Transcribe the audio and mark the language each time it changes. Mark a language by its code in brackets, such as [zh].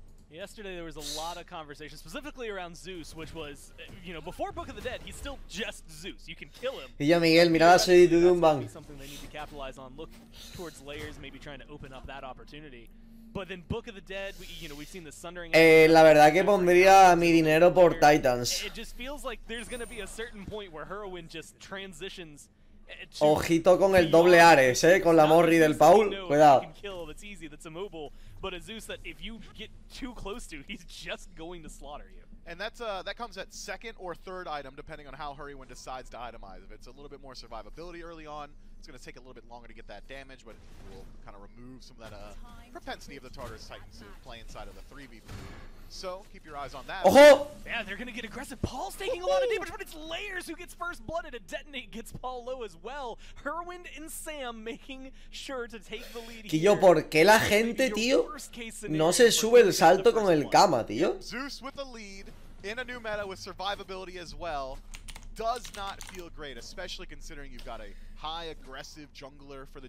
[en] Yesterday there was a lot of conversation, specifically around Zeus, which was, you know, before Book of the Dead, he's still just Zeus. You can kill him. [es] Y yo, Miguel, mira la solicitud de un bang. [en] Something they need to capitalize on. Look towards layers, maybe trying to open up that opportunity. But then Book of the Dead, we, you know, we've seen the Sundering. [es] La verdad que pondría mi dinero por Titans. [en] It just feels like there's going to be a certain point where Heroin just transitions. [es] Ojito con el doble Ares, con la Morri del Paul, cuidado. [en] It's easy, that's immobile, but a Zeus that if you get too close to, he's just going to slaughter you. And that's that comes at second or third item, depending on how Hurrywind decides to itemize. If it's a little bit more survivability early on, it's going to take a little bit longer to get that damage, but it will kind of remove some of that propensity of the Tartarus Titans to play inside of the 3v3. So keep your eyes on that. Oh-ho! Yeah, they're gonna get aggressive. Paul's taking a lot of damage, but it's Layers who gets first blood, and a detonate gets Paul low as well. Herwind and Sam making sure to take the lead. [es] Quillo, ¿por qué la gente, tío, no se sube el salto con el Kama, tío? [en] Zeus with the lead in a new meta with survivability as well does not feel great, especially considering you've got a high aggressive jungler for the